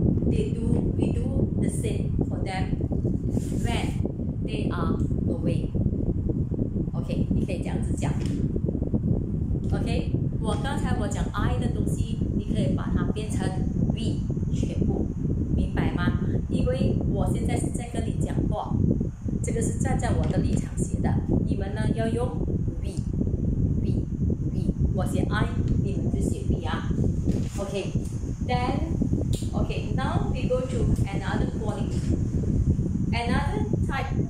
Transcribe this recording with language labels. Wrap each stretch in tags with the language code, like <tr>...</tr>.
<en>We do the same for them when they are away. Okay,</en> <zh>你可以这样子讲。</zh> <en>Okay,</en> <zh>我刚才我讲 I 的东西，你可以把它变成 we 全部，明白吗？因为我现在是在跟你讲话，这个是站在我的立场写的。你们呢要用 we， 我写 I， 你们就写 we 啊。</zh> <en>Okay, then. Okay, now we go to another quality. Another type.</en>